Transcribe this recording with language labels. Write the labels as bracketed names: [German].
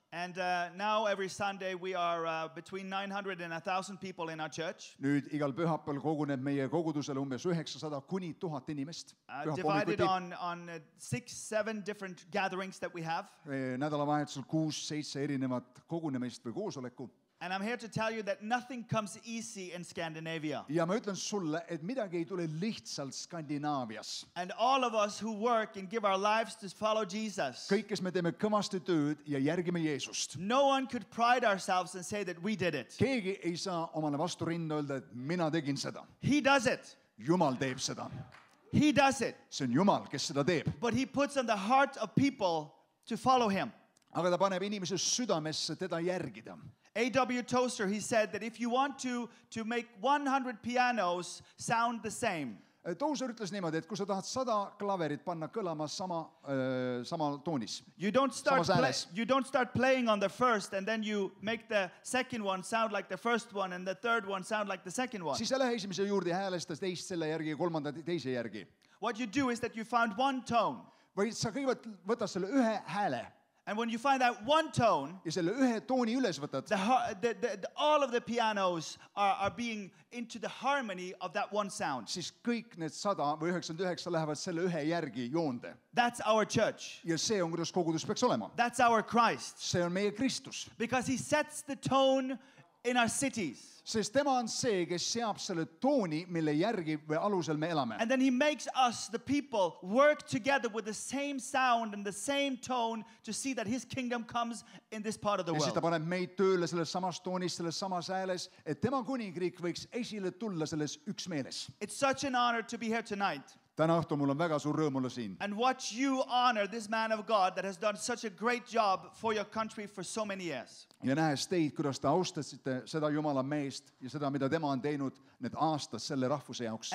[English] And now every Sunday we are between 900 and 1000 people in our church. [Estonian] Nüüd igal pühapäeval koguneb meie kogudusele umbes 900 kuni 1000 inimest. [English] Divided on 6-7 different gatherings that we have. [Estonian] Nädalavahetusel 6-7 erinevat kogunemist või koosoleku. [English] And I'm here to tell you that nothing comes easy in Scandinavia. [Estonian] Ja ma ütlen sulle, et midagi ei tule lihtsalt Skandinaavias. [English] And all of us who work and give our lives to follow Jesus. [Estonian] Kõik, kes me teeme kõmasti tööd ja järgime Jeesust. [English] No one could pride ourselves and say that we did it. [Estonian] Keegi ei saa omale vastu rinda öelda, et mina tegin seda. [English] He does it. [Estonian] Jumal teeb seda. [English] He does it. [Estonian] See on Jumal, kes seda teeb. [English] But he puts on the heart of people to follow him. [Estonian] Aga ta paneb inimese südamesse teda järgida. [English] A.W. Tozer, he said that if you want to make 100 pianos sound the same. [Estonian] Tozer ütles niimoodi, et kui sa tahad 100 klaverit panna kõlama sama toonis. [English] You don't start playing on the first and then you make the second one sound like the first one and the third one sound like the second one. [Estonian] Siis sa lähe esimese juurde häälestas teist selle järgi ja kolmanda teise järgi. [English] What you do is that you found one tone. [Estonian] Või sa kõigepealt võtad selle ühe hääle. [English] And when you find that one tone, [Estonian] ja selle ühe tooni üles võtad, [English] the all of the pianos are being into the harmony of that one sound. [Estonian] Siis kõik need 100 või 99 lähevad selle ühe järgi joonde. [English] That's our church. [Estonian] Ja see on, kuidas kogudus peaks olema. [English] That's our Christ. [Estonian] See on meie Kristus. [English] Because he sets the tone in our cities. [Estonian] Sest tema on see, kes seab selle tooni, mille järgi või alusel me elame. [English] And then he makes us, the people, work together with the same sound and the same tone to see that his kingdom comes in this part of the world. [Estonian] Ja siis ta paneb meid tööle selles samas toonis, selles samas ääles, et tema kuningriik võiks esile tulla selles üksmeeles. [English] It's such an honor to be here tonight. [Estonian] Täna õhtu mul on väga suur rõõmule siin. [English] And watch you honor this man of God that has done such a great job for your country for so many years. [Estonian] Ja nähes teid, kuidas te austasite seda Jumala meest ja seda, mida tema on teinud need aastas selle rahvuse jaoks.